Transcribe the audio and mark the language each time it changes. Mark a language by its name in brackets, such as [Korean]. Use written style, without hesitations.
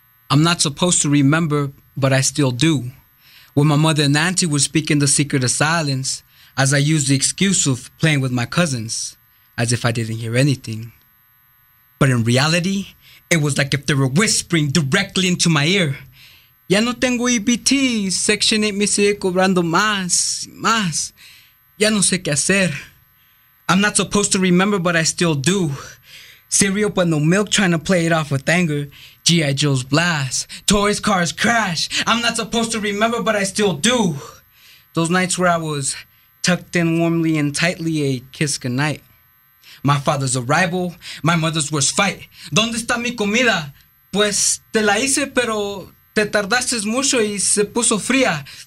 [English] I'm not supposed to remember, but I still do. When my mother and auntie were speaking the secret of silence, as I used the excuse of playing with my cousins, as if I didn't hear anything. But in reality, it was like if they were whispering directly into my ear. [Spanish] Ya no tengo EBT, Section 8 me sigue cobrando más, más. Ya no sé qué hacer. [English] I'm not supposed to remember, but I still do. Cereal but no milk, trying to play it off with anger. G G.I. Joe's blast. Toys, cars crash. I'm not supposed to remember, but I still do. Those nights where I was tucked in warmly and tightly, a kiss goodnight. My father's arrival, my mother's worst fight. [Spanish] ¿Dónde está mi comida? Pues te la hice, pero te tardaste mucho y se puso fría.